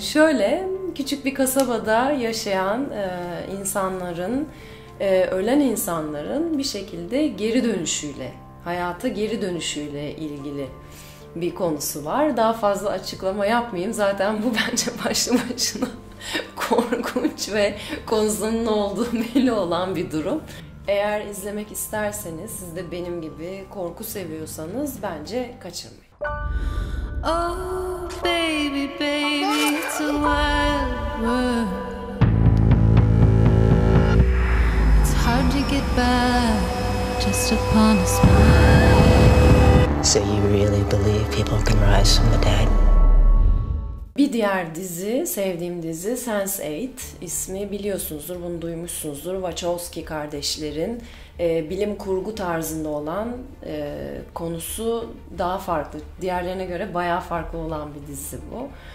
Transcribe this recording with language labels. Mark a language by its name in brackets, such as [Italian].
[Turkish] Şöyle, küçük bir kasabada yaşayan insanların, ölen insanların bir şekilde geri dönüşüyle, hayata geri dönüşüyle ilgili bir konusu var. Daha fazla açıklama yapmayayım. Zaten bu bence başlı başına korkunç ve konusunun ne olduğu belli olan bir durum. Eğer izlemek isterseniz, siz de benim gibi korku seviyorsanız bence kaçırmayın. [English] Oh baby baby it's a wild world. It's hard to get back just upon a smile. So you really believe people can rise from the dead? [Turkish] Bir diğer dizi, sevdiğim dizi Sense8 ismi, biliyorsunuzdur, bunu duymuşsunuzdur. Wachowski kardeşlerin bilim kurgu tarzında olan, konusu daha farklı, diğerlerine göre bayağı farklı olan bir dizi bu.